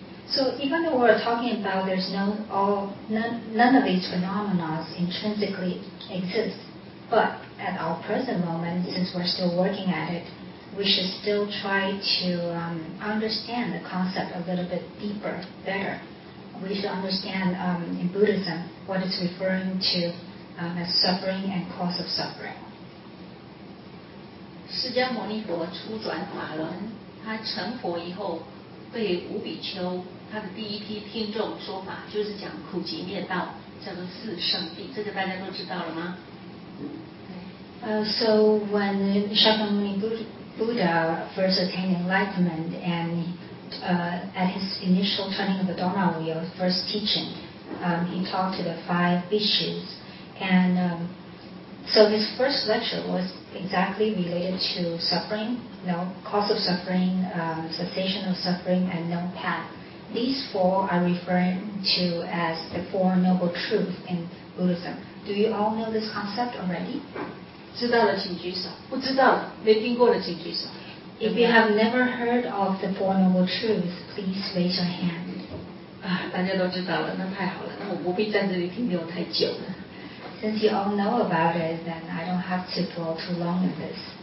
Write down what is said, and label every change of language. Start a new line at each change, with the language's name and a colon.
English: So even though we're talking about there's none of these phenomena intrinsically exist, but at our present moment, since we're still working at it, we should still try to understand the concept a little bit deeper, better. We should understand in Buddhism what it's referring to as suffering and cause of suffering.
Chinese: 释迦牟尼佛初转法轮，他成佛以后对五比丘他的第一批听众说法，就是讲苦集灭道，叫做四圣谛，这个大家都知道了吗？
English: So when Shakyamuni Buddha first attained enlightenment and at his initial turning of the Dharma wheel, first teaching, he talked to the five bhikkhus, and so his first lecture was exactly related to suffering. No cause of suffering, cessation of suffering, and no path. These four are referring to as the Four Noble Truths in Buddhism. Do you all know this concept already?
Chinese: 知道了请举手。不知道没听过的请举手。
English: If you have never heard of the Four Noble Truths, please raise your hand.
Chinese: 大家都知道了，那太好了，那我不必在这里停留太久了。
English: Since you all know about it, then I don't have to dwell too long on this.